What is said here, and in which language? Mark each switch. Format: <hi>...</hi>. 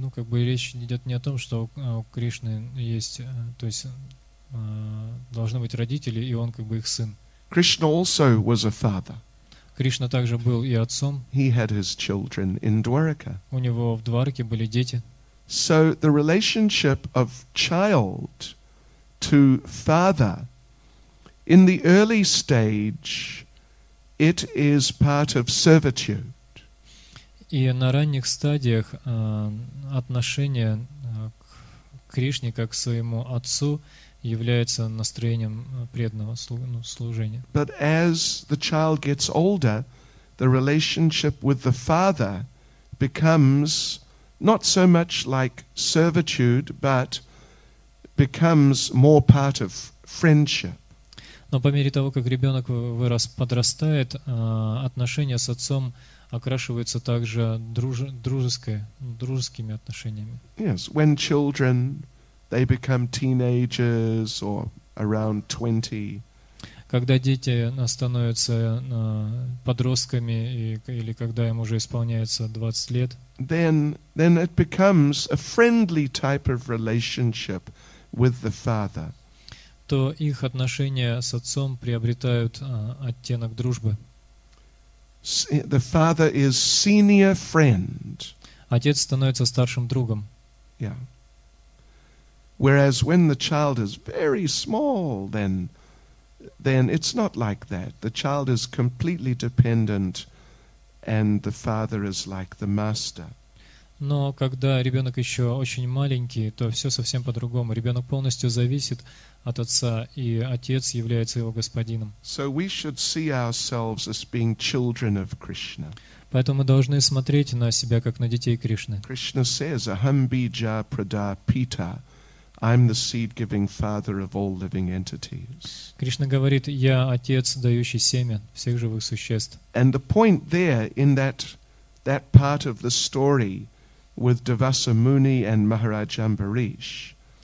<ru>Речь идет не о том, что у Кришны есть, то есть должны быть родители, и он их сын.</ru> <en>Krishna also was a father.</en> <ru>Кришна также был и отцом.</ru> <en>He had his children in Dwarka.</en> <ru>У него в Дварке были дети.</ru> <en>So the relationship of child to father in the early stage, it is part of servitude.</en> <ru>И на ранних стадиях отношение к Кришне как к своему отцу является настроением преданного служения.</ru> <en>But as the child gets older, the relationship with the father becomes not so much like servitude, but becomes more part of friendship.</en> <ru>Но по мере того, как ребенок вырос, подрастает, отношения с отцом окрашиваются также дружескими отношениями.</ru> <en>Yes, when children, they become teenagers or around 20.</en> <ru>Когда дети становятся подростками или когда им уже исполняется 20 лет,</ru> <en>then it becomes a friendly type of relationship with the father.</en> <ru>То их отношения с отцом приобретают оттенок дружбы.</ru> <en>The father is senior friend.</en> <ru>Отец становится старшим другом.</ru> <en>Yeah. Whereas when the child is very small, then it's not like that. The child is completely dependent, and the father is like the master.</en> <ru>Но когда ребенок еще очень маленький, то все совсем по-другому. Ребенок полностью зависит от отца, и отец является его господином.</ru> <en>So we should see ourselves as being children of Krishna.</en> <ru>Поэтому мы должны смотреть на себя как на детей Кришны.</ru> <en>Krishna says,</en> <sa>"Aham bija prada pita,</sa> <en>I'm the seed-giving father of all living entities."</en> <ru>Кришна говорит: "Я отец, дающий семя всех живых существ."</ru> <en>And the point there in that part of the story with Devasa Muni and Maharaj Ambarish.</en>